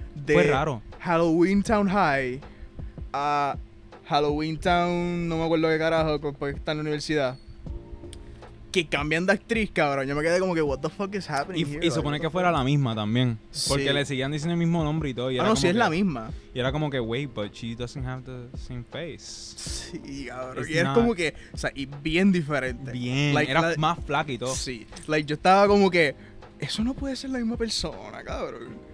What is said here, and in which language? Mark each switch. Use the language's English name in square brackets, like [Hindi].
[Spanish] De fue raro. Halloween Town High a Halloween Town, no me acuerdo qué carajo, porque está en la universidad. Que cambian de actriz, cabrón. Yo me quedé como que, [English] what the fuck is happening here? [Spanish] Y supone que fuera la misma también. Porque sí. Le seguían diciendo el mismo nombre y todo. Y ah, no, como sí, que, es la misma. Y era como que, [English] wait, but she doesn't have the same face. [Spanish] Sí, cabrón. Y era como que, o sea, y bien diferente. Bien. [English] Like, [Spanish] era más flaca y todo. Sí. [English] Like, [Spanish] yo estaba como que, eso no puede ser la misma persona, cabrón.